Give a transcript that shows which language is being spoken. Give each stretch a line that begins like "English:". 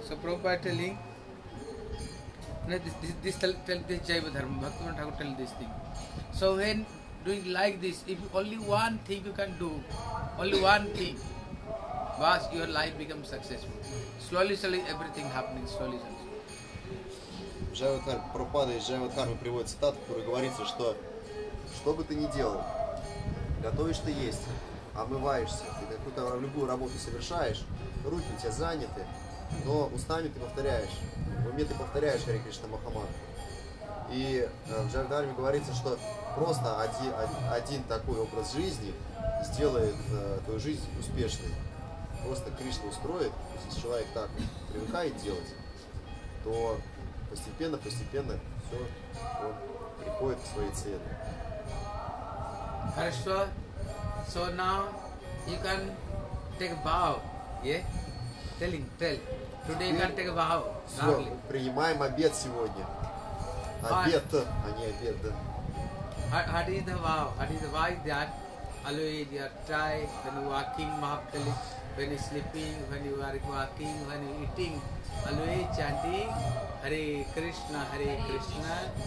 English: So Prabhupada telling, this Jaiva Dharma, Bhaktivinoda Thakur tell this thing. So when doing like this, if only one thing you can do, only one thing, was your life becomes successful. Slowly, everything happening, slowly.
Russian: Прабхупада из Джайвадхармы приводит цитату, в которой говорится, что бы ты ни делал, готовишь ты есть, омываешься, ты какую-то любую работу совершаешь, руки у тебя заняты, но устами ты повторяешь, в уме ты повторяешь Хари Кришна Махамантру. И в Джайвадхарме говорится, что просто один такой образ жизни сделает твою жизнь успешной. Просто Кришна устроит, если человек так привыкает делать, то постепенно все приходит к своей цели. Хорошо.
English: So now you can take bow. Yeah? Tell. Today you can take bow.
Russian: Все, мы принимаем обед сегодня. Обед, а не обед, да.
English: What is the vow? What is the vow that always you are tired when walking, mahakali, when you sleeping, when you are walking, when you eating, always chanting Hare Krishna, Hare Krishna,